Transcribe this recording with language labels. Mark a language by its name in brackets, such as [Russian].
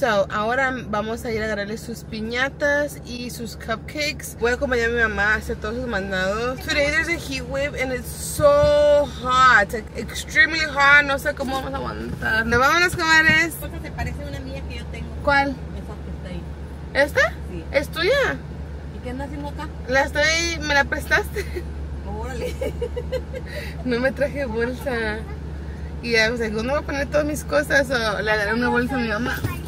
[Spanish] Ahora vamos a ir a agarrarle sus piñatas y sus cupcakes. Voy a acompañar a mi mamá a hacer todos sus mandados. [English] Today there's a heat wave and it's so hot. It's like extremely hot. [Spanish] No sé cómo vamos a aguantar. ¡Nos vamos, comadres! ¿Cuál se parece a una mía que yo tengo? ¿Cuál? Esta que está ahí. ¿Esta? Sí. ¿Es tuya? ¿Y qué anda haciendo acá? La estoy... ¿Me la prestaste? ¡Órale! No me traje bolsa. Y ya, pues, ¿dónde voy a poner todas mis cosas? O le daré una bolsa a mi mamá.